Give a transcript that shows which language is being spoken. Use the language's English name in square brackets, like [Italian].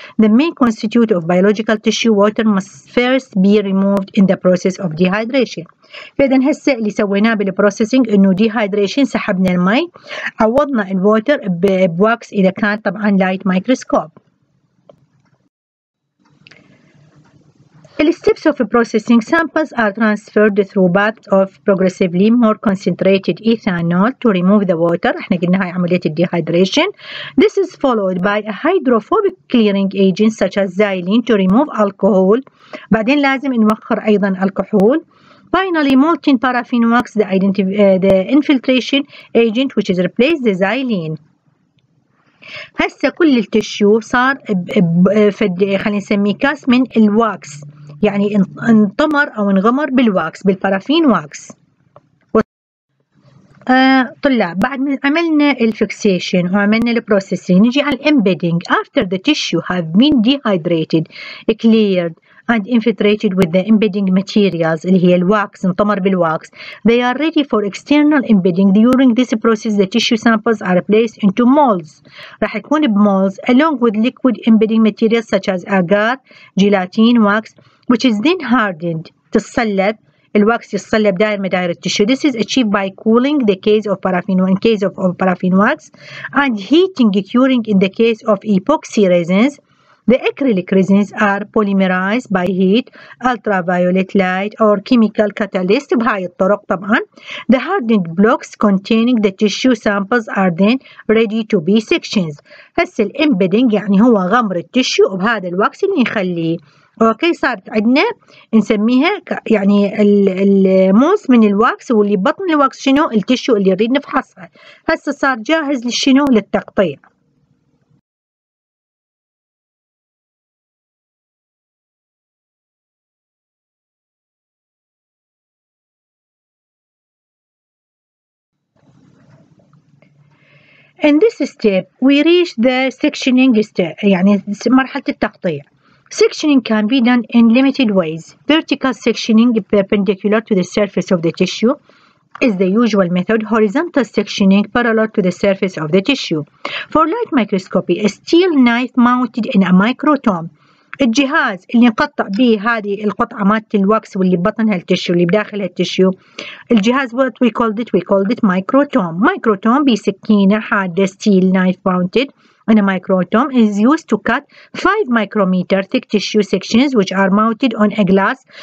[English] The main constituent of biological tissue water must first be removed in the process of dehydration. [Arabic] فإذا هسه اللي سويناه بالبروسيسنج إنه ديهايدريشن سحبنا المي، عوضنا الووتر بواكس إذا كان طبعا لايت مايكروسكوب. [English] The steps of processing samples are transferred through baths of progressively more concentrated ethanol to remove the water. [Arabic] احنا قلنا هاي عملية [English] dehydration. This is followed by a hydrophobic clearing agent such as xylene to remove alcohol. [Arabic] بعدين لازم نوخر ايضا الكحول. [English] Finally, molten paraffin wax the infiltration agent which is replaced the xylene. [Arabic] هسه كل التشيو صار خلينا نسميه كاس من الواكس، يعني انطمر او انغمر بالواكس بالبارافين واكس. طلاب بعد ما عملنا الفيكسيشن وعملنا البروسيسنج نجي على الامبيدنج. [English] After the tissue have been dehydrated, cleared and infiltrated with the embedding materials [Arabic] اللي هي الواكس انطمر بالواكس, [English] they are ready for external embedding. During this process the tissue samples are placed into molds, [Arabic] راح يكون [English] بmolds along with liquid embedding materials such as agar, gelatin, wax which is then hardened. [Arabic] تتصلب الواكس يتصلب داير مداير التشو. [English] This is achieved by cooling the case of paraffin in case of paraffin wax and heating curing in the case of epoxy resins. The acrylic resins are polymerized by heat, ultraviolet light or chemical catalyst [Arabic] بهاي الطرق طبعا. [English] The hardened blocks containing the tissue samples are then ready to be sectioned. [Arabic] هسه الامبيدنج يعني هو غمر التشو بهذا الواكس اللي نخليه. اوكي صارت عندنا نسميها يعني الموس من الواكس واللي بطن الواكس شنو التشو اللي نريد نفحصها. هسه صار جاهز للشنو للتقطيع. [English] In this step, we reach the sectioning step, [Arabic] يعني مرحلة التقطيع. [English] Sectioning can be done in limited ways. Vertical sectioning perpendicular to the surface of the tissue is the usual method. Horizontal sectioning parallel to the surface of the tissue. For light microscopy, a steel knife mounted in a microtome. [Arabic] الجهاز اللي نقطع به هذه القطعة مالت الواكس واللي بطنها التشيو اللي بداخلها التشيو. [English] الجهاز what we called it, microtome. Microtome [Arabic] بسكينة حادة [English] steel knife mounted in a microtome is used to cut 5 micrometer thick tissue sections which are mounted on a glass.